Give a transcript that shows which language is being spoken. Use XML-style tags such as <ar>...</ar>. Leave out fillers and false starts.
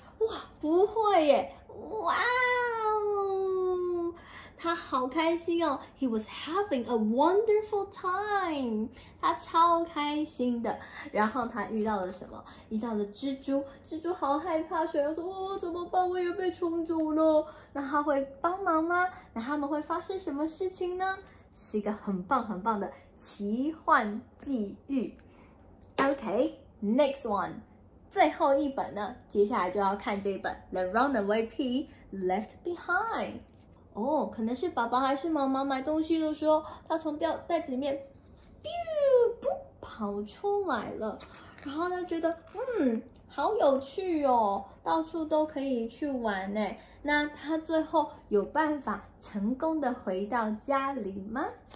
<zh>哇，不会耶，哇哦，他好开心哦 ，</zh> <en>He was having a wonderful time，</en> <zh>他超开心的。然后他遇到了什么？遇到了蜘蛛，蜘蛛好害怕，所以说，哦，怎么办？我也被冲走了。那他会帮忙吗？那他们会发生什么事情呢？是一个很棒很棒的奇幻际遇。</zh> <en>Okay, next one，</en> <zh>最后一本呢？接下来就要看这一本《The Runaway Pea Left Behind》。哦，可能是爸爸还是妈妈买东西的时候，他从袋子里面，噗，跑出来了。然后他觉得，好有趣哦，到处都可以去玩呢。那他最后有办法成功的回到家里吗？</zh>